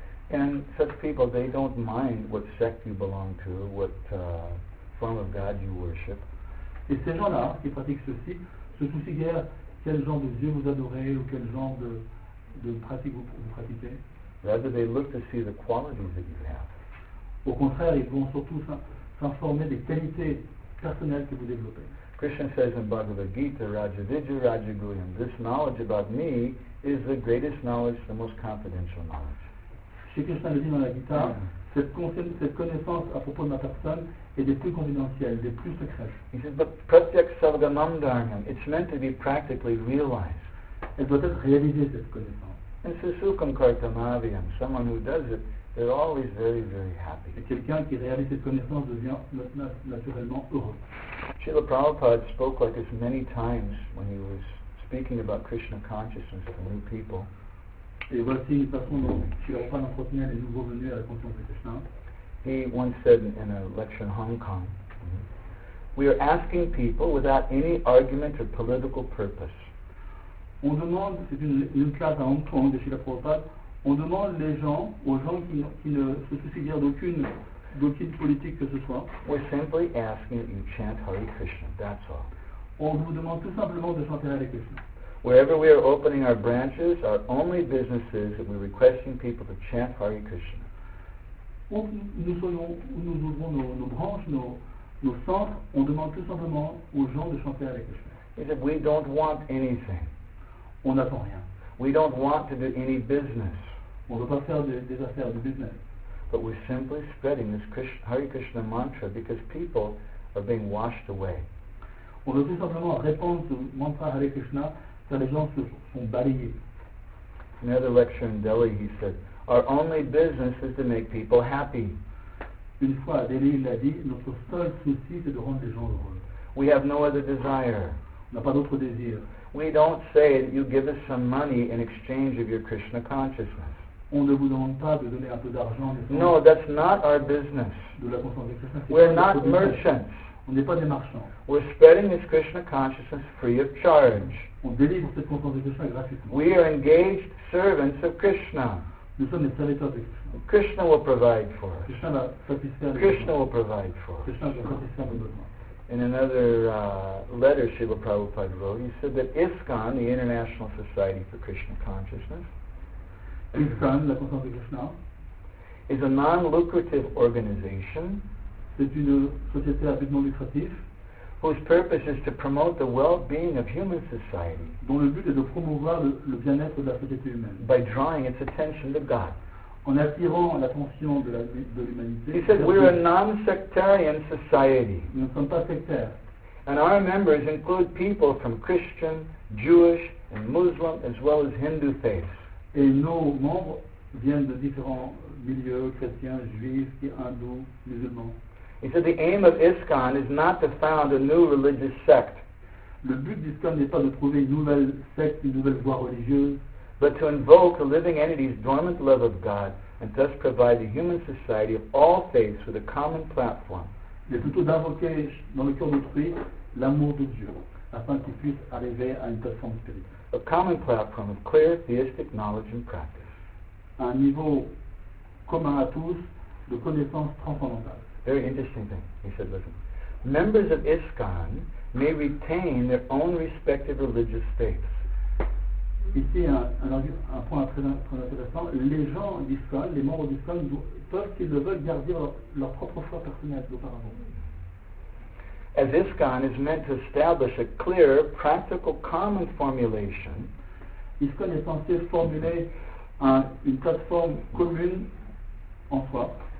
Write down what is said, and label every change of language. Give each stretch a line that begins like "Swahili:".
English: And such people, they don't mind what sect you belong to, what form of God you worship.
French: Et ces gens-là qui pratiquent ceci se soucient guère quel genre de Dieu vous adorez ou quel genre de pratique vous pratiquez.
English: Rather, they look to see the qualities that you have.
French: Au contraire, ils vont surtout s'informer des qualités personnelles que vous développez.
English: Krishna says in Bhagavad Gita,
Sanskrit: Raja Vidya Raja Guyam,
English: this knowledge about me is the greatest knowledge, the most confidential knowledge.
French: Chez Krishna le dit dans la Gita, cette connaissance à propos de ma personne est des plus confidentielles, des plus secrètes.
English: He says, but
Sanskrit: pratyak savgamam dharmam,
English: it's meant to be practically realized.
French: Elle doit être réalisée, cette connaissance.
English: And
Sanskrit: sasukam kartamaviyam,
English: someone who does it, they're always very, very happy.
French: Et quelqu'un qui réalise cette connaissance devient naturellement heureux.
English: Srila Prabhupada spoke like this many times when he was speaking about Krishna consciousness to new people.
French: Et voici une façon dont Srila Prabhupada entretenait les nouveaux venus à la conscience de Krishna.
English: He once said in a lecture in Hong Kong, we are asking people without any argument or political purpose.
French: On demande, c'est une classe à Hong Kong de Srila Prabhupada, on demande les gens, aux gens qui ne se soucient guère d'aucune politique que ce soit.
English: We're simply asking that you chant Hare Krishna, that's all.
French: On vous demande tout simplement de chanter Hare Krishna.
English: Wherever we are opening our branches, our only business is that we're requesting people to chant Hare Krishna.
French: Où nous ouvrons nos branches, nos centres, on demande tout simplement aux gens de chanter Hare Krishna.
English: He said, we don't want anything.
French: On n'attend rien.
English: We don't want to do any business.
French: On ne veut pas faire des affaires de business.
English: But we're simply spreading this Hare Krishna mantra because people are being washed away.
French: On veut tout simplement répandre ce mantra Hare Krishna car les gens se sont balayés.
English: In another lecture in Delhi, he said, our only business is to make people happy.
French: Une fois à Delhi, il a dit, notre seul souci, c'est de rendre les gens heureux.
English: We have no other desire.
French: On n'a pas d'autre désir.
English: We don't say that you give us some money in exchange of your Krishna consciousness.
French: On ne vous demande pas de donner un peu d'argent.
English: No, that's not our business.
French: De la conscience de Krishna, c'est
English: we're not merchants.
French: On n'est pas des marchands.
English: We're spreading this Krishna consciousness free of charge.
French: On délivre cette conscience de Krishna gratuitement.
English: We are engaged servants of Krishna.
French: Nous sommes des serviteurs de Krishna.
English: Krishna will provide for us.
French: Krishna va satisfaire nos
English: Krishna will provide for us.
French: Krishna va satisfaire nos besoins.
English: In another letter Srila Prabhupada wrote, he said that ISKCON, the International Society for Krishna Consciousness,
French: ISKCON, la conscience de Krishna,
English: is a non-lucrative organization.
French: C'est une société à but non lucratif
English: whose purpose is to promote the well-being of human society,
French: dont le but est de promouvoir le bien-être de la société humaine,
English: by drawing its attention to God,
French: en attirant l'attention de l'humanité.
English: He said, we're a non-sectarian society.
French: Nous ne sommes pas sectaires.
English: And our members include people from Christian, Jewish, and Muslim, as well as Hindu faiths.
French: Et nos membres viennent de différents milieux, chrétiens, juifs, hindous, musulmans.
English: He said, the aim of ISKCON is not to found a new religious sect.
French: Le but d'ISKCON n'est pas de trouver une nouvelle secte, une nouvelle voie religieuse,
English: but to invoke the living entity's dormant love of God and thus provide the human society of all faiths with a common platform.
French: Mais plutôt d'invoquer dans le cœur d'autrui l'amour de Dieu afin qu'il puisse arriver à une plateforme spirituelle.
English: A common platform of clear theistic knowledge and practice.
French: Un niveau commun à tous de connaissances transcendantales.
English: Very interesting thing, he said, listen. Members of ISKCON may retain their own respective religious faiths.
French: Ici, un point très intéressant. Les gens d'ISKCON, les membres d'ISKCON, peuvent, s'ils le veulent, garder leur propre foi personnelle auparavant.
English: As ISKCON is meant to establish a clear, practical, common formulation,
French: ISKCON est censé formuler une plateforme commune en soi,